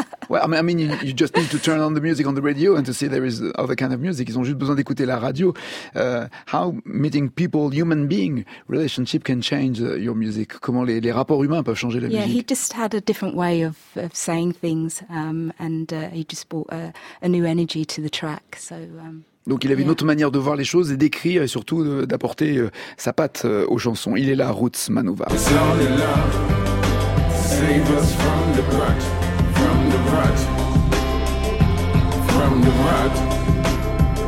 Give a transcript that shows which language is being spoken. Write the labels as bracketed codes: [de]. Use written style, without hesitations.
[en] Well, I mean, you just need to turn on the music on the radio and to see there is other kind of music. [fr] Ils ont juste besoin d'écouter la radio. [en] How meeting people, human being, relationship can change your music. [fr] Comment les rapports humains peuvent changer la musique? [en] Yeah, he just had a different way of saying things, he just brought a new energy to the track. So. [fr] Donc il avait une autre manière de voir les choses et d'écrire et surtout d'apporter sa patte aux chansons. Il est là, Roots Manuva. [en] It's all in love. Save us from the rut, from the rut, from the rut.